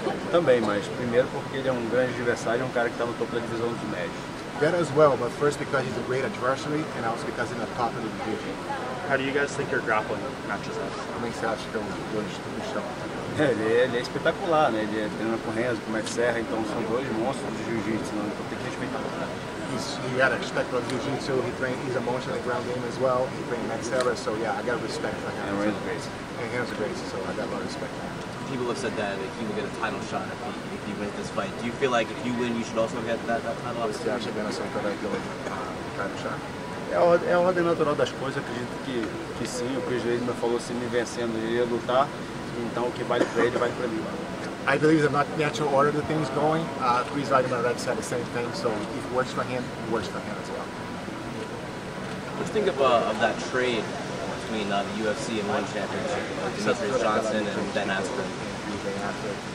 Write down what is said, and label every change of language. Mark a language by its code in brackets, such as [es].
[pt] Também, mas primeiro porque ele é um grande adversário, um cara que está no topo da divisão dos médios. [en] That as well, but first because he's a great adversary and also because he's in the top of the division. How do you guys think your grappling matches up? [pt] Como é que você acha que é um dois do chão? Ele é espetacular, né? Ele treina com Renzo, com Mike Serra, então são dois monstros de jiu-jitsu, né? Então tem que respeitar. [en] He had a respect for jiu-jitsu, he's a monster in the ground game as well, he trained Max Serra, so yeah, I got respect for him. And so. Renzo Grace. And Renzo Grace, so I got a lot of respect for him. People have said that, he will get a title shot if he, wins this fight. Do you feel like if you win, you should also get that, title opportunity? [pt] Você acha que vai ser um cara que vai ganhar o title shot? É a ordem natural das coisas, acredito que, sim. O Chris Weidman falou assim, me vencendo, eu ia lutar, então o que vale para ele, vale para mim. [en] I believe it's not the natural order the things going. Chris Weidman already said the same thing, so if it works for him, it works for him as well. What do you think of that trade between the UFC and ONE Championship, Demetrius Johnson and Ben Askren?